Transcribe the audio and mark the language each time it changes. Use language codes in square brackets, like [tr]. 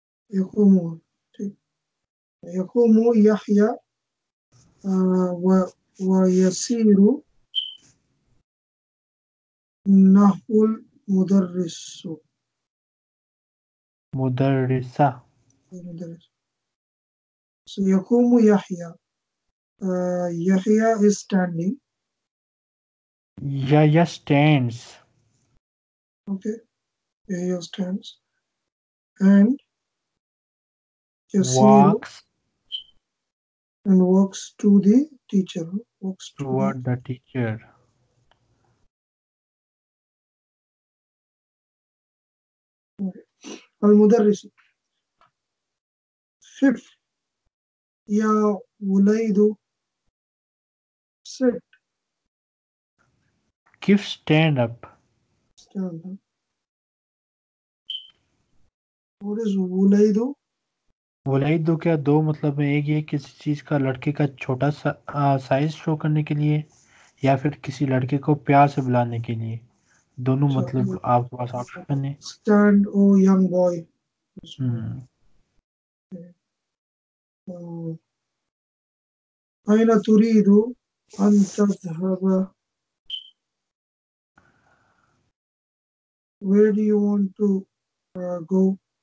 [ar] يقوم يقوم يحيى ويسير نحو المدرس مدرسة [en] so يقوم يحيى يحيى is standing يحيى stands okay يحيى stands and walks and walks to the teacher walks toward the teacher المدرس sit يا وليد sit give stand up stand up what is وليد [ur] Waleed کیا دو مطلب ہے ایک یہ کسی چیز کا لڑکے کا چھوٹا سا سائز شو کرنے کے لیے یا پھر کسی لڑکے کو پیار سے بلانے کے لیے دونوں مطلب آپ کے پاس آپشن ہے [en] stand o young boy Hmm. [ar] أين تريد أن تذهب؟ Where do you want to go?